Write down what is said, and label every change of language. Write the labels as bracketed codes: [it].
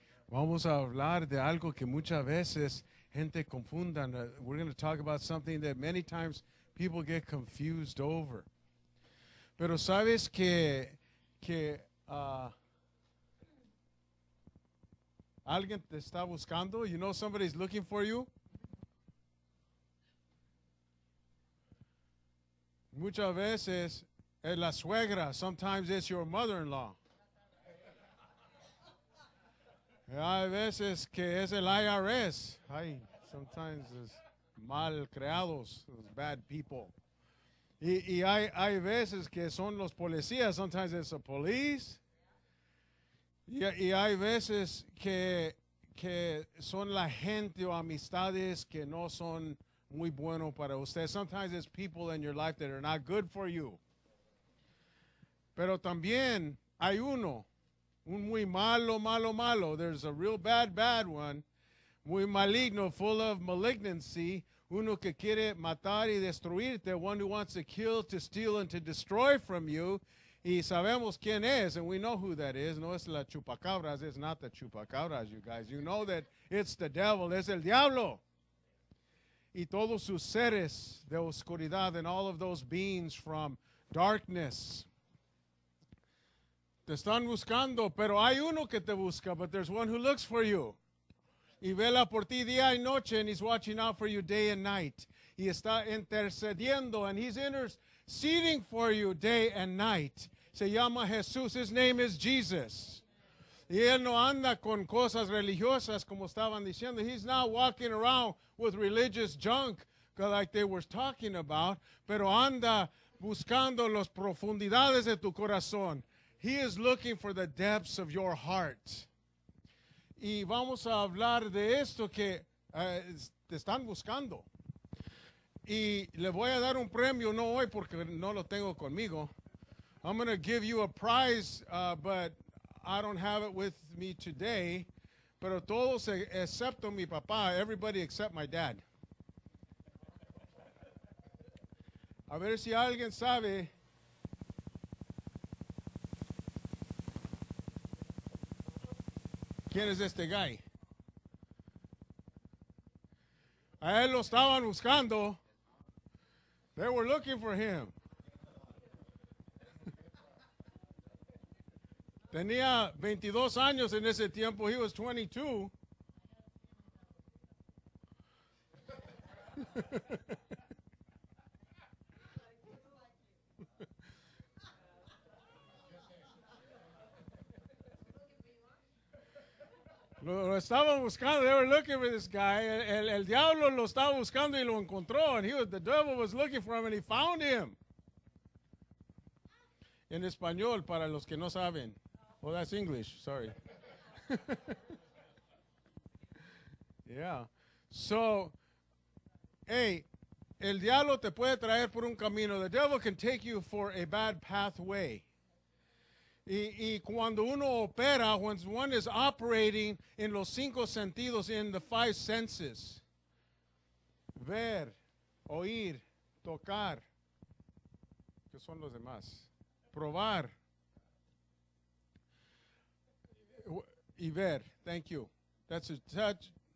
[es] Vamos a hablar de algo que muchas veces gente confunda. [en] We're going to talk about something that many times people get confused over. [es] Pero sabes que alguien te está buscando. [en] You know somebody's looking for you. [es] Muchas veces es la suegra. [en] Sometimes it's your mother-in-law. [es] Hay veces que es el IRS. [en] Ay, sometimes it's [es] mal creados, [en] those bad people. [es] Y hay veces que son los policías. [en] Sometimes it's the police. [es] Y hay veces que son la gente o amistades que no son muy bueno para usted. [en] Sometimes it's people in your life that are not good for you. [es] Pero también hay uno. Un muy malo, malo, malo. [en] There's a real bad, bad one. [es] Muy maligno, [en] full of malignancy. [es] Uno que quiere matar y destruirte. [en] One who wants to kill, to steal, and to destroy from you. [es] Y sabemos quién es, [en] and we know who that is. [es] No es la chupacabras. [en] It's not the chupacabras, you guys. You know that it's the devil. [es] Es el diablo. Y todos sus seres de oscuridad, [en] and all of those beings from darkness. [es] Te están buscando, pero hay uno que te busca, [en] but there's one who looks for you. [es] Y vela por ti día y noche, [en] and he's watching out for you day and night. [es] Y está intercediendo, [en] and he's interceding for you day and night. [es] Se llama Jesús, [en] his name is Jesus. [es] Y él no anda con cosas religiosas, como estaban diciendo. [en] He's not walking around with religious junk, like they were talking about. [es] Pero anda buscando las profundidades de tu corazón. [en] He is looking for the depths of your heart. [es] Y vamos a hablar de esto que te están buscando. Y le voy a dar un premio, no hoy porque no lo tengo conmigo. [en] I'm going to give you a prize, but I don't have it with me today. [es] Pero todos excepto mi papá, [en] everybody except my dad. [es] A ver si alguien sabe. ¿Quién es este guy? A él lo estaban buscando. [en] They were looking for him. [es] Tenía 22 años en ese tiempo. [en] He was 22. [es] Lo estaban buscando, [en] they were looking for this guy. [es] El diablo lo estaba buscando y lo encontró. [en] And the devil was looking for him and he found him. [es] En español, para los que no saben. [en] Oh, that's English, sorry. Yeah. So, hey, [es] el diablo te puede traer por un camino. [en] The devil can take you for a bad pathway. [es] Y cuando uno opera, [en] when one is operating in [es] los cinco sentidos, [en] in the five senses, [es] ver, oír, tocar, que son los demás, probar, y ver, [en] thank you. That's a touch.